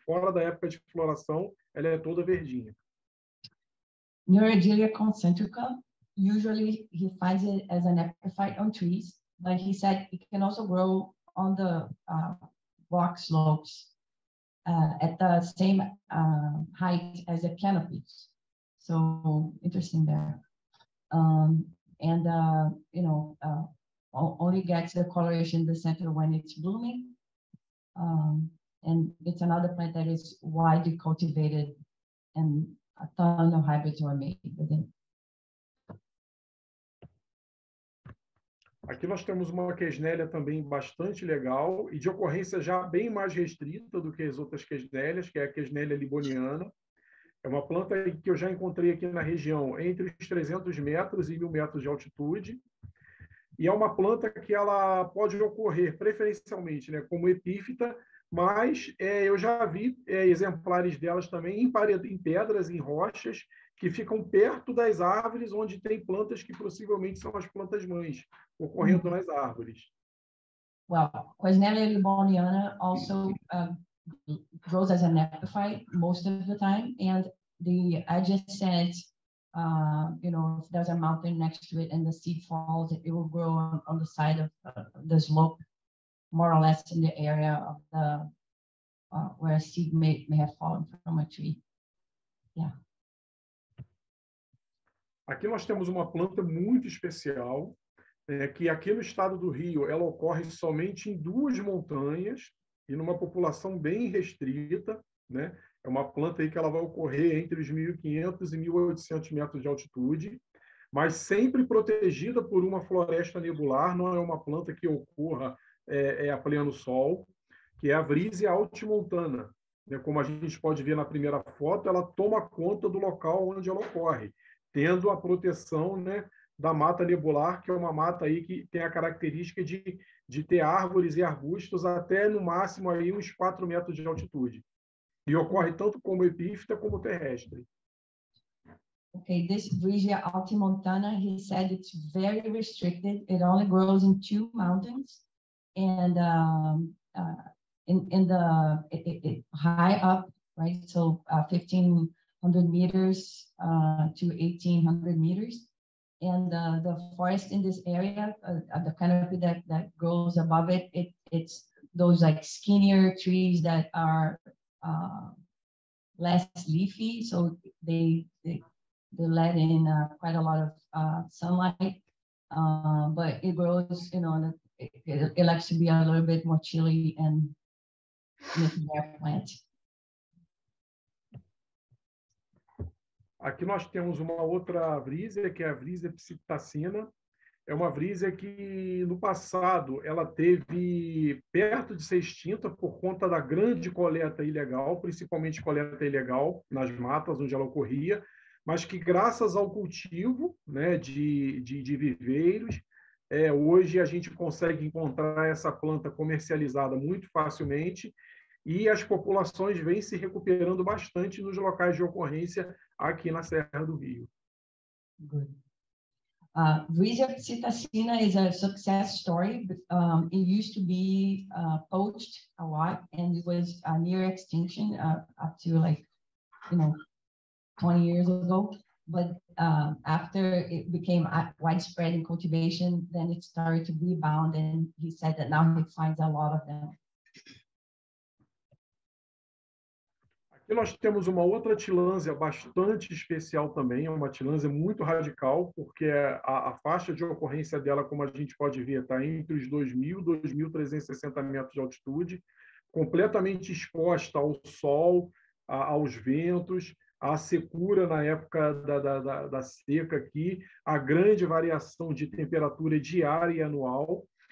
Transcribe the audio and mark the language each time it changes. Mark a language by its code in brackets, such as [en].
[pt] Fora da época de floração, ela é toda verdinha. [en] Neuregelia concentrica, usually he finds it as an epiphyte on trees, but he said it can also grow on the rock slopes at the same height as the canopies. So interesting there. Only gets the coloration in the center when it's blooming. And it's another plant that is widely cultivated and a ton of hybrids are made with it. [pt] Aqui nós temos uma quesnélia também bastante legal e de ocorrência já bem mais restrita do que as outras quesnélias, que é a quesnélia liboniana. É uma planta que eu já encontrei aqui na região entre os 300 metros e 1.000 metros de altitude. E é uma planta que ela pode ocorrer preferencialmente, né, como epífita, mas eu já vi exemplares delas também em paredes, em pedras, em rochas, que ficam perto das árvores, onde tem plantas que possivelmente são as plantas-mães, ocorrendo nas árvores. [en] Well, Quesnelia liboniana also grows as an epiphyte most of the time, and the adjacent, if there's a mountain next to it and the seed falls, it will grow on the side of the slope, more or less in the area of the, where a seed may have fallen from a tree. Yeah. [pt] Aqui nós temos uma planta muito especial, que aqui no estado do Rio, ela ocorre somente em duas montanhas e numa população bem restrita, né? É uma planta aí que ela vai ocorrer entre os 1.500 e 1.800 metros de altitude, mas sempre protegida por uma floresta nebular, não é uma planta que ocorra a pleno sol, que é a Vrisia altimontana. Como a gente pode ver na primeira foto, ela toma conta do local onde ela ocorre, tendo a proteção, né, da mata nebular, que é uma mata aí que tem a característica de ter árvores e arbustos até no máximo aí uns 4 metros de altitude. E ocorre tanto como epífita como terrestre. [en] Okay, this Vrisia altimontana, he said it's very restricted. It only grows in two mountains and high up, right? So 1500 meters to 1800 meters. And the forest in this area, the canopy that grows above it, it's those like skinnier trees that are less leafy, so they let in quite a lot of sunlight, but it grows, it likes to be a little bit more chilly and making their plant. [pt] Aqui nós temos uma outra Vrisia, que é a Vrisia psittacina. É uma Vrisia que, no passado, ela teve perto de ser extinta por conta da grande coleta ilegal, principalmente coleta ilegal nas matas onde ela ocorria, mas que, graças ao cultivo, né, de viveiros, hoje a gente consegue encontrar essa planta comercializada muito facilmente e as populações vêm se recuperando bastante nos locais de ocorrência aqui na Serra do Rio. [en] Good. Vizia Citacina is a success story. It used to be poached a lot, and it was near extinction up to, like, you know, 20 years ago. But after it became widespread in cultivation, then it started to rebound, and he said that now he finds a lot of them. [pt] Aqui nós temos uma outra tilânsia bastante especial também, é uma tilânsia muito radical, porque a faixa de ocorrência dela, como a gente pode ver, está entre os 2.000 e 2.360 metros de altitude, completamente exposta ao sol, aos ventos, à secura na época da seca aqui, a grande variação de temperatura diária e anual.